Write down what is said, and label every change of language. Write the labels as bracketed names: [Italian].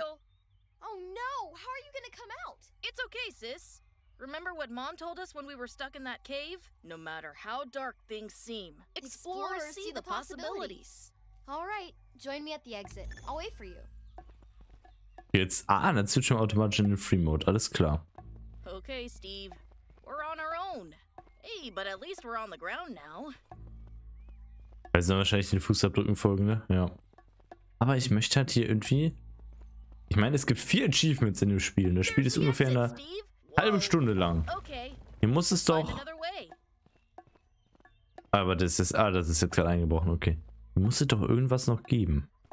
[English] oh no, how are you gonna come out? It's okay, sis. Remember what Mom told us when we were stuck in that cave? No matter how dark things seem, explore or see the possibilities. All right, join me at the exit. I'll wait for you. [German] Jetzt, dann switchen wir automatisch in den Free Mode. Alles klar. [English] Okay, Steve. We're on our own. Hey, but at least we're on the ground now. [German] Wir sollen wahrscheinlich den Fußabdrücken folgen, ne? Ja. Aber ich möchte halt hier irgendwie. Ich meine, es gibt 4 Achievements in dem Spiel. Das Spiel ist ungefähr eine halbe Stunde lang. Hier muss es doch. Aber das ist. Ah, das ist jetzt gerade eingebrochen, okay. Hier muss es doch irgendwas noch geben.